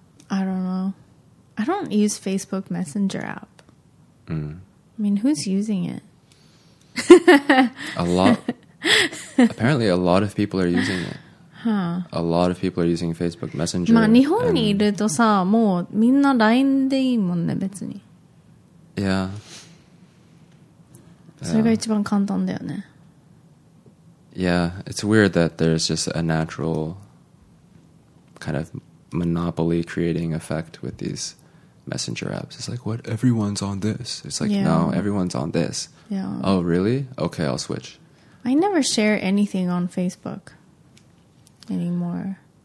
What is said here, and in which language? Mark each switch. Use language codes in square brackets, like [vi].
[en] I don't know. I don't use Facebook Messenger app.、I mean, who's using it? A lot. Apparently a lot of people are using it. Huh. A lot of people are using Facebook Messenger. [ja] まあ日本にいるとさ、もうみんな LINE でいいもんね、別に。 [en] Yeah. [ja] それが一番簡単だよね。 [en] Yeah, it's weird that there's just a natural kind of monopoly creating effect with these messenger apps. It's like, what? Everyone's on this. It's like,、no, everyone's on this. Yeah. Oh, really? Okay, I'll switch. I never share anything on Facebook. Anymore.